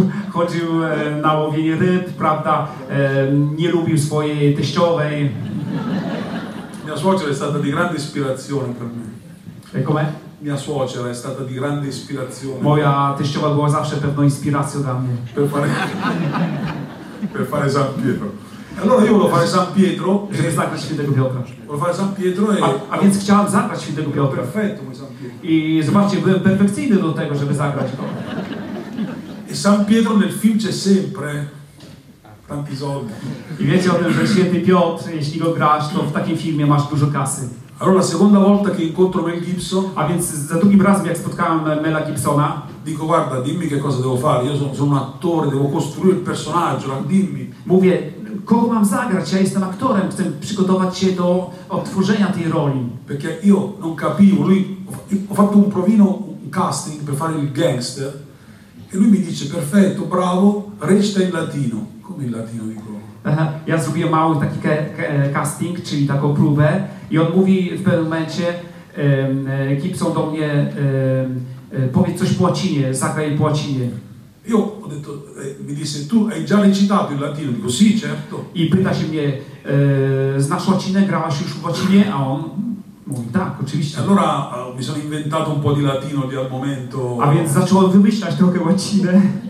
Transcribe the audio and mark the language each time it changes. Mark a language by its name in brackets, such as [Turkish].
[Polish] Chodził na łowienie ryb, prawda? Nie lubił swojej teściowej. [Italian] Mia suocera è stata di grande ispirazione per me. E com'è? Mia suocera è stata di grande ispirazione. [Polish] Moja teściowa była zawsze pewną inspiracją dla mnie. [Italian] Per fare San Pietro. Allora io volevo fare San Pietro, [Polish] żeby zagrać świętego Piotra. [Italian] Volevo fare San Pietro e... [Polish] A więc chciałem zagrać świętego Piotra. [Italian] Perfetto, mój San Pietro. [Polish] I zobaczcie, byłem perfekcyjny do tego, żeby zagrać to. [Italian] E San Pietro nel film c'è sempre. Tanti soldi. [Polish] I wiecie o tym, że święty Piotr, jeśli go grasz, to w takim filmie masz dużo kasy. [Italian] Allora la seconda volta che incontro Mel Gibson... [Polish] A więc za drugim razem, jak spotkałem Mela Gibsona... [Italian] Dico, guarda, dimmi che cosa devo fare. Io sono un attore, devo costruire il personaggio, dimmi. [Polish] Mówię, kogo mam zagrać? Ja jestem aktorem, chcę przygotować się do odtworzenia tej roli. [Italian] Perché io non capivo, lui... Ho fatto un provino, un casting per fare il gangster. E lui mi dice, perfetto, bravo, recita in latino. Come in latino, dico? [Polish] Ja zrobię mały taki casting, czyli taką próbę. I on mówi w pewnym momencie, Gibson do mnie, powiedz coś po łacinie, zagraj po łacinie. [Italian] Io ho detto, mi disse, tu hai già recitato in latino? Dico, sì, certo. [Polish] I pyta się mnie, znasz łacinę, grałaś już w łacinie? A on mówi, tak, oczywiście. [Italian] Allora mi sono inventato un po' di latino lì al momento. [Polish] A więc zacząłem wymyślać trochę łacinę.